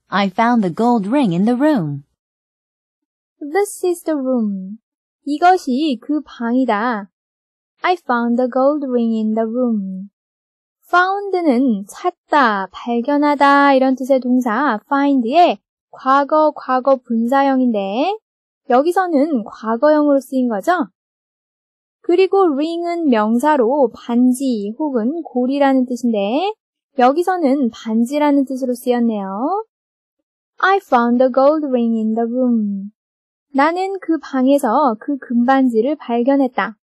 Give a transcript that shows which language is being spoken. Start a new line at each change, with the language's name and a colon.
English: I found the gold ring in the room. This is the room.
Korean: 이것이 그 방이다.
English: I found the gold ring in the room.
Korean: found는 찾다, 발견하다 이런 뜻의 동사 find의 과거, 과거 분사형인데 여기서는 과거형으로 쓰인 거죠? 그리고 ring은 명사로 반지 혹은 고리라는 뜻인데 여기서는 반지라는 뜻으로 쓰였네요.
English: I found the gold ring in the room.
Korean: 나는 그 방에서 그 금반지를 발견했다.